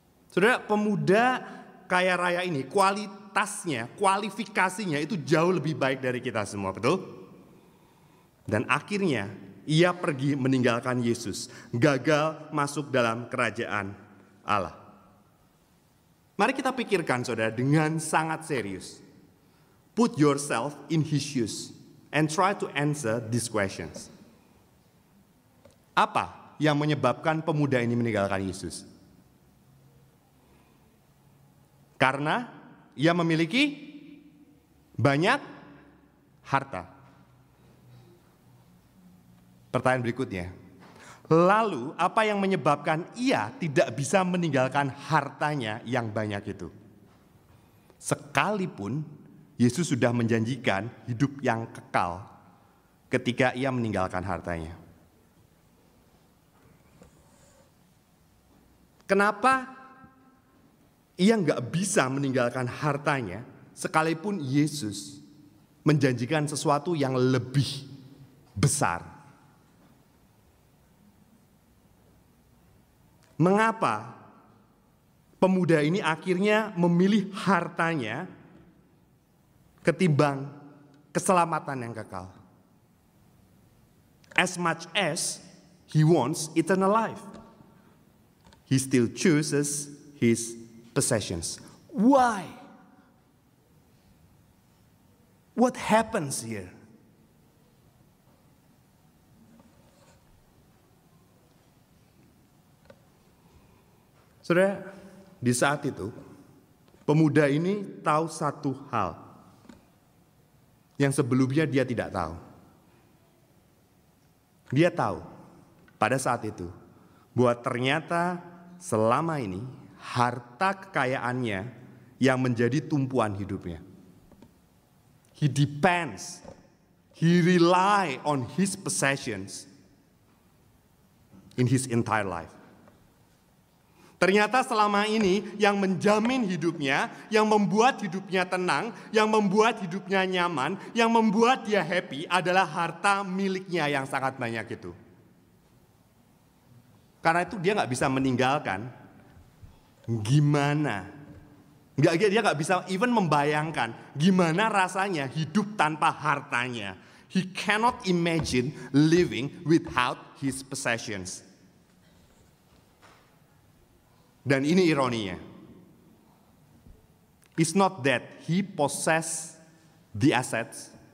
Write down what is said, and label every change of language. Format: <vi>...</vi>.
<id>Saudara, pemuda kaya raya ini kualitasnya, kualifikasinya itu jauh lebih baik dari kita semua, betul? Dan akhirnya ia pergi meninggalkan Yesus, gagal masuk dalam kerajaan Allah. Mari kita pikirkan, saudara, dengan sangat serius.</id> <en>Put yourself in his shoes and try to answer these questions. Apa</en> <id>yang menyebabkan pemuda ini meninggalkan Yesus? Karena ia memiliki banyak harta. Pertanyaan berikutnya, lalu apa yang menyebabkan ia tidak bisa meninggalkan hartanya yang banyak itu? Sekalipun Yesus sudah menjanjikan hidup yang kekal ketika ia meninggalkan hartanya. Kenapa ia enggak bisa meninggalkan hartanya sekalipun Yesus menjanjikan sesuatu yang lebih besar? Mengapa pemuda ini akhirnya memilih hartanya ketimbang keselamatan yang kekal?</id> <en>As much as he wants eternal life, he still chooses his possessions. Why? What happens here?</en> <id>Saudara, di saat itu pemuda ini tahu satu hal yang sebelumnya dia tidak tahu. Dia tahu pada saat itu bahwa ternyata selama ini harta kekayaannya yang menjadi tumpuan hidupnya.</id> <en>He depends, he rely on his possessions in his entire life.</en> <id>Ternyata selama ini yang menjamin hidupnya, yang membuat hidupnya tenang, yang membuat hidupnya nyaman, yang membuat dia happy adalah harta miliknya yang sangat banyak itu. Karena itu dia gak bisa meninggalkan. Gimana? Dia gak bisa even membayangkan gimana rasanya hidup tanpa hartanya.</id> <en>He cannot imagine living without his possessions.</en> <id>Dan ini ironinya.</id> <en>It's not that he possess the assets.</en>